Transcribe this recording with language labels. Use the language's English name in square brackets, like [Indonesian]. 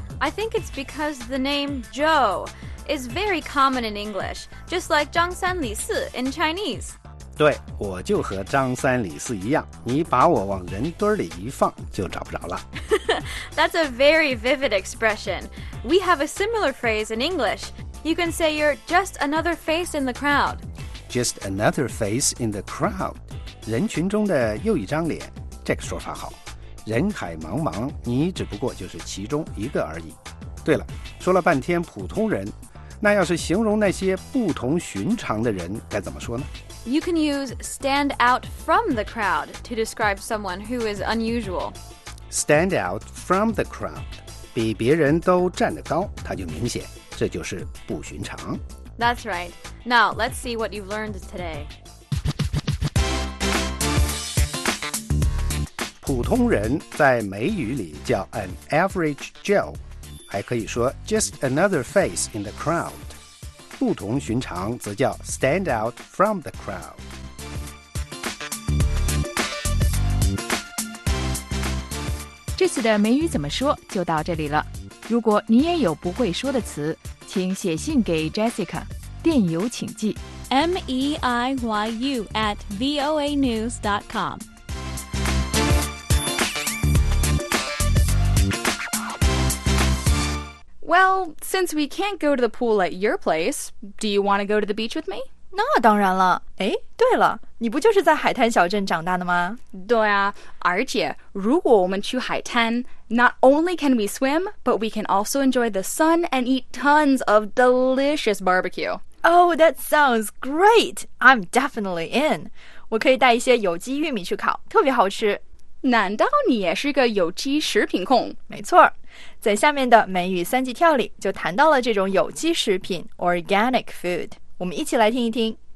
[English] I think it's because the name Joe is very common in English, just like 张三李四 in Chinese. [Chinese] 对，我就和张三李四一样，你把我往人堆里一放就找不着了。 [English] That's a very vivid expression. We have a similar phrase in English. You can say you're just another face in the crowd. Just another face in the crowd. [Chinese] 人群中的又一张脸，这个说法好。人海茫茫，你只不过就是其中一个而已。对了，说了半天普通人，那要是形容那些不同寻常的人，该怎么说呢？ [English] You can use stand out from the crowd to describe someone who is unusual. Stand out from the crowd. [Chinese] 比别人都站得高，他就明显，这就是不寻常。 [English] That's right. Now, let's see what you've learned today. [Chinese] 普通人在美语里叫 [English] an average Joe, [Chinese] 还可以说 [English] just another face in the crowd. [Chinese] 不同寻常则叫 [English] stand out from the crowd。 [Chinese] 这次的美语怎么说就到这里了。如果你也有不会说的词，请写信给 Jessica， 电邮请寄 [English] meiyu@voanews.com。 Well, since we can't go to the pool at your place, do you want to go to the beach with me? [Chinese] 那当然了。哎，对了，你不就是在海滩小镇长大的吗？对啊，而且如果我们去海滩， [English] not only can we swim, but we can also enjoy the sun and eat tons of delicious barbecue. Oh, that sounds great! I'm definitely in. [Chinese] 我可以带一些有机玉米去烤，特别好吃。难道你也是个有机食品控？没错，在下面的美语三级跳里就谈到了这种有机食品 organic food。我们一起来听一听。